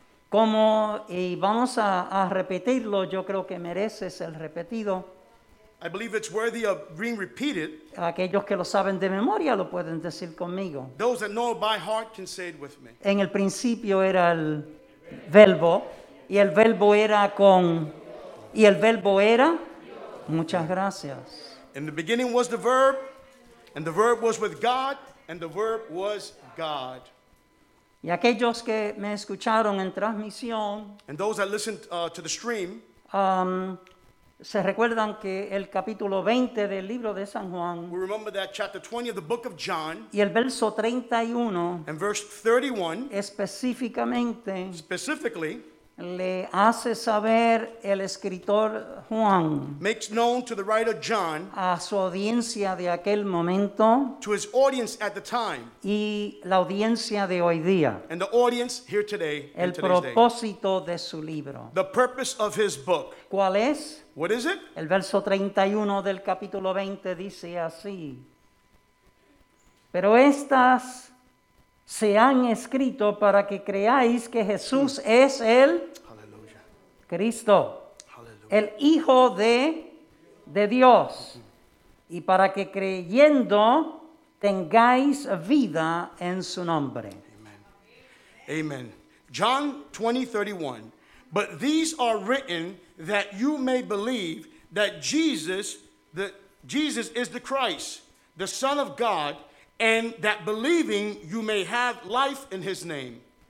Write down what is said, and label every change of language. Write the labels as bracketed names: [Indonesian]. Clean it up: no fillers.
[Spanish] Como, y vamos a repetirlo, yo creo que mereces el repetido. [English] I believe it's worthy of being repeated. [Spanish] Aquellos que lo saben de memoria lo pueden decir conmigo. [English] Those that know by heart can say it with me. [Spanish] En el principio era el verbo, y el verbo era con, y el verbo era, muchas gracias. [English] In the beginning was the verb, and the verb was with God, and the verb was God. [Spanish] Y aquellos que me escucharon en transmisión, [English] and those that listened to the stream, [Spanish] se recuerdan que el capítulo 20 del libro de San Juan, [English] we remember that chapter 20 of the book of John, [Spanish] y el verso 31, [English] and verse 31, [Spanish] específicamente, [English] specifically, [Spanish] le hace saber el escritor Juan, [English] makes known to the writer John, [Spanish] a su audiencia de aquel momento, [English] to his audience at the time, [Spanish] y la audiencia de hoy día, [English] and the audience here today, [Spanish] el propósito de su libro, [English] the purpose of his book. [Spanish] ¿Cuál es? [English] What is it? [Spanish] El verso 31 del capítulo 20 dice así, pero estas se han escrito para que creáis que Jesús es el [English] Hallelujah. [Spanish] Cristo, [English] Hallelujah. [Spanish] El Hijo de Dios, y para que creyendo tengáis vida en su nombre. [English] Amen. Amen. John 20:31. But these are written that you may believe that Jesus is the Christ, the Son of God, and that believing you may have life in his name.